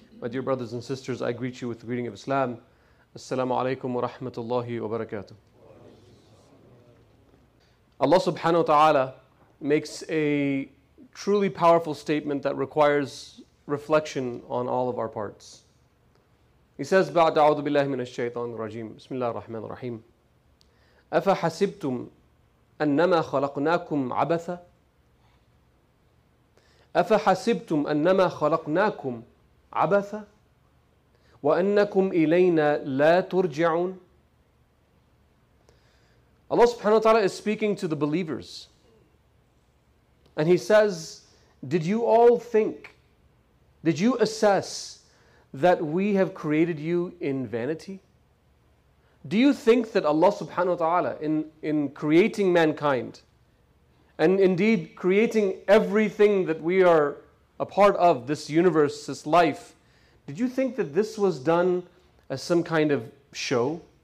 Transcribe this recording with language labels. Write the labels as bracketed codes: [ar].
[en] My dear brothers and sisters, I greet you with the greeting of Islam. Assalamu alaikum wa rahmatullahi wa barakatuh. Allah subhanahu wa ta'ala makes a truly powerful statement that requires reflection on all of our parts. He says, [ar] بعد أعوذ بالله من الشيطان الرجيم بسم الله الرحمن الرحيم أفحسبتم أنما خلقناكم عبثا أفحسبتم أنما خلقناكم عبثا وأنكم إلينا لا ترجعون. [en] Allah subhanahu wa ta'ala is speaking to the believers. And He says, did you all think, did you assess that we have created you in vanity? Do you think that Allah subhanahu wa ta'ala in creating mankind and indeed creating everything that we are a part of, this universe, this life, did you think that this was done as some kind of show?